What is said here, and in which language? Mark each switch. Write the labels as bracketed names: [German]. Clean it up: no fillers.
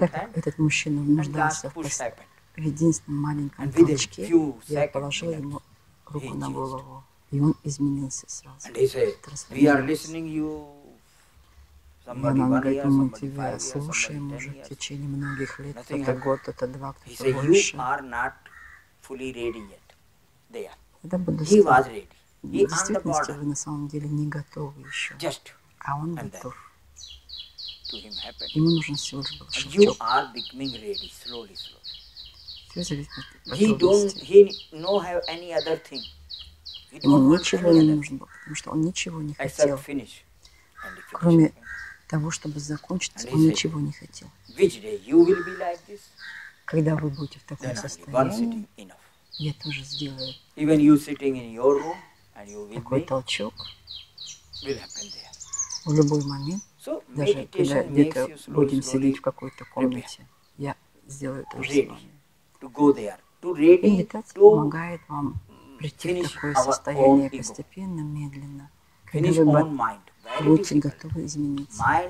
[Russian] так этот мужчина нуждался в единственном маленьком толчке, я положил ему руку на голову, и он изменился сразу. Трансформировался. И он говорит, мы тебя слушаем уже в течение многих лет, кто-то год, кто-то два, кто-то больше. [English] He said, you are not fully ready yet. They are. He was ready. [Russian] В действительности вы на самом деле не готовы еще. [English] Just. [Russian] А он готов. [English] To him happen. [Russian] Ему нужен всего лишь был шелчок. [English] You are becoming ready, slowly, slowly. [Russian] Все зависит от готовности. [English] He don't have any other thing. [Russian] Ему ничего не нужен был, потому что он ничего не хотел. [English] Finish. [Russian] Кроме того, чтобы закончиться, он ничего не хотел. [English] Which day you will be like this? [Russian] Когда вы будете в таком состоянии, я тоже сделаю. [English] Even you sitting in your room and you will [Russian] такой толчок [English] will happen there. [Russian] В любой момент. Даже когда где-то будем сидеть в какой-то комнате, я сделаю то же самое. И медитация помогает вам прийти в такое состояние постепенно, медленно. Когда вы будете готовы измениться.